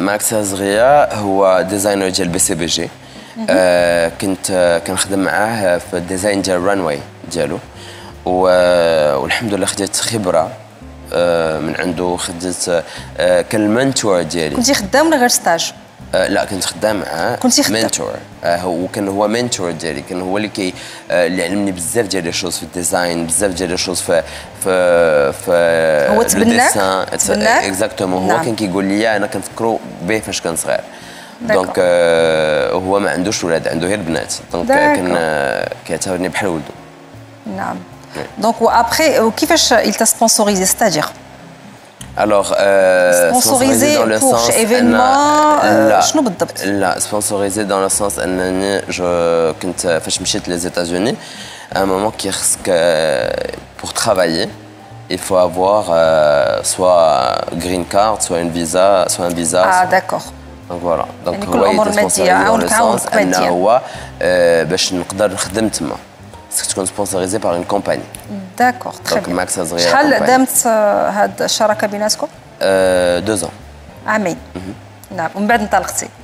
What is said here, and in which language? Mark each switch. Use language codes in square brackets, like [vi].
[ar] Max Azria, هو designer ديال BCBG. كنت كنخدم معاه في ديزاين ديال رانواي ديالو. والحمد لله خديت خبرة من عنده. خديت كان المنتور ديالي. كنتي خدام ولا غير ستاج؟ لا كنت خدام معاه كنت خدام منتور وكان هو منتور ديالي كان هو اللي كي اللي علمني بزاف ديال الشوز في الديزاين بزاف ديال الشوز في في في هو تبناك اكزاكتومون هو كان كيقول لي انا كنفكروا به فاش كان صغير دونك هو ما عندوش ولاد عنده غير بنات دونك كان كيعتبرني بحال ولده نعم دونك وابخي وكيفاش يلتا سبونسوريزي ستادير [fr] Alors, sponsorisé dans le pour sens événement, là, sponsorisé dans le sens, je quand je suis allé aux États-Unis, à un moment qui risque pour travailler, il faut avoir soit green card, soit une visa, soit un visa. Ah, soit... d'accord. [ar] دونك فوالا دونك هو سبونسوريزي [fr] دون لو سونس انه [ar] هو باش نقدر نخدم تما خصك تكون سبونسوريزي [fr] باغ اون كومباني [ar] داكوغ تخي دونك ماكس صغيره شحال دامت هاد الشراكه بيناتكم؟ دو زون عامين نعم ومن بعد انطلقتي